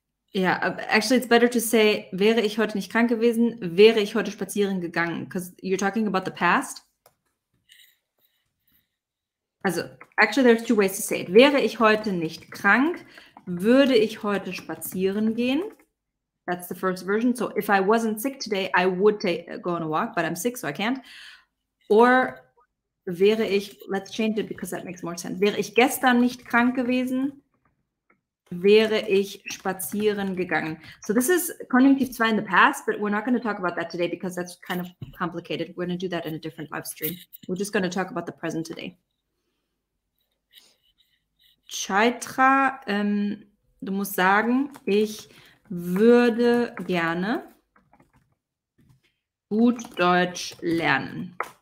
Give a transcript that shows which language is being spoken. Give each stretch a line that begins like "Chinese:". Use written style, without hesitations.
German: Ja,
English: actually it's better to say,
German: wäre ich heute nicht krank gewesen, wäre ich heute spazieren gegangen.
English: Because you're talking about the past. Also, actually there's two ways to say it.
German: Wäre ich heute nicht krank, würde ich heute spazieren gehen.
English: That's the first version. So if I wasn't sick today, I would go on a walk, but I'm sick, so I can't. Or wäre ich, let's change it because that makes more sense.
German: Wäre ich gestern nicht krank gewesen, wäre ich spazieren gegangen.
English: So this is Konjunktiv 2 in the past, but we're not going to talk about that today because that's kind of complicated. We're going to do that in a different live stream. We're just going to talk about the present today.
German: Chaitra, du musst sagen, ich würde gerne gut Deutsch lernen.